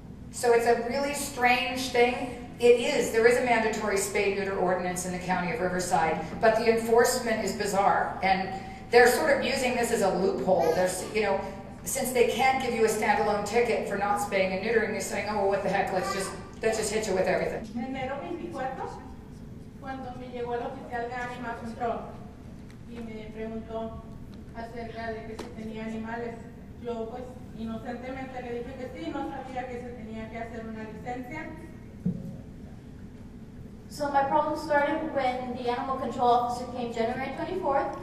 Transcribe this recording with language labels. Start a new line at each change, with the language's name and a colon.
English: So it's a really strange thing. It is. There is a mandatory spay-neuter ordinance in the county of Riverside, but the enforcement is bizarre. And they're sort of using this as a loophole. Since they can't give you a standalone ticket for not spaying and neutering, they're saying, oh, well, what the heck, let's just hit you with everything.
Spanish: En enero 24, cuando me llegó el oficial de Animal Control y me preguntó acerca de que se tenía animales, yo pues inocentemente le dije que sí, no sabía que se tenía que hacer una licencia.
English: So my problem started when the animal control officer came January 24th.